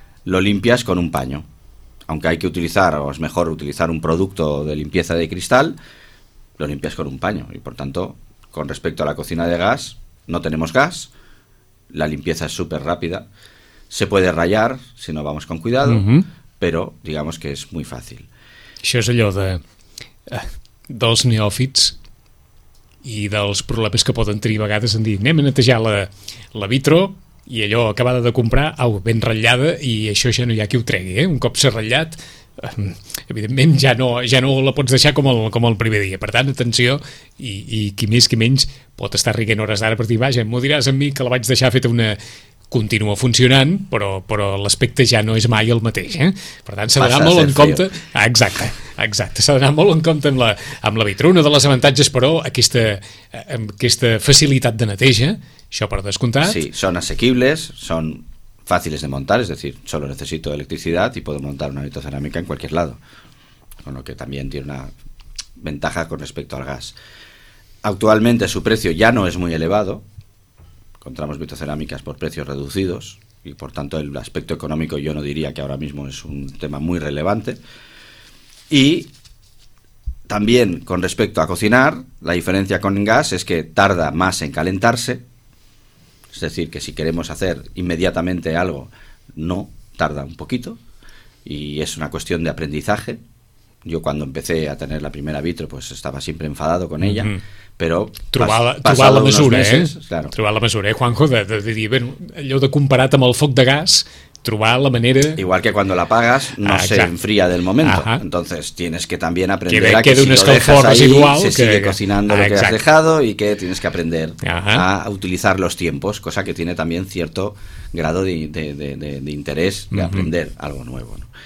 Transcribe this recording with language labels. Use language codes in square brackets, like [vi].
[es] lo limpias con un paño, aunque hay que utilizar, o es mejor utilizar un producto de limpieza de cristal, lo limpias con un paño, y por tanto, con respecto a la cocina de gas, no tenemos gas, la limpieza es súper rápida, se puede rayar, si no vamos con cuidado, pero digamos que es muy fácil. [ca] Això és allò de dos neòfits i dels problemes que poden tenir a vegades en dir, anem a netejar la vitro, i allò acabada de comprar, ben ratllada i això ja no hi ha qui ho tregui, eh? Un cop s'ha ratllat, evidentment ja no la pots deixar com el primer dia, per tant, atenció i qui més qui menys pot estar riguent hores d'ara per dir, vaja, m'ho diràs a mi que la vaig deixar feta una... continua funcionant però l'aspecte ja no és mai el mateix, eh? Per tant, s'ha d'anar molt en compte exacte, s'ha d'anar molt en compte amb la vitro. Una de les avantatges però, aquesta facilitat de neteja. Això per descomptat. [es] Sí, son asequibles, son fáciles de montar, es decir, solo necesito electricidad y puedo montar una vitrocerámica en cualquier lado, con lo que también tiene una ventaja con respecto al gas. Actualmente su precio ya no es muy elevado. Encontramos vitrocerámicas por precios reducidos y por tanto el aspecto económico yo no diría que ahora mismo es un tema muy relevante. Y también con respecto a cocinar, la diferencia con gas es que tarda más en calentarse. Es decir, que si queremos hacer inmediatamente algo, no, tarda un poquito. Y es una cuestión de aprendizaje. Yo cuando empecé a tener la primera vitro, pues estaba siempre enfadado con ella. [ca] Però trobar la mesura, meses, claro. Trobar la mesura, Juanjo, de dir, bueno, allò de comparat amb el foc de gas, trobar la manera... [es] Igual que cuando la apagas, no se enfría del momento. Ajá. Entonces tienes que también aprender que si [ca] un escalfor residual, [es] se sigue cocinando lo que has dejado y que tienes que aprender a utilizar los tiempos, cosa que tiene también cierto grado de interés de aprender algo nuevo, ¿no?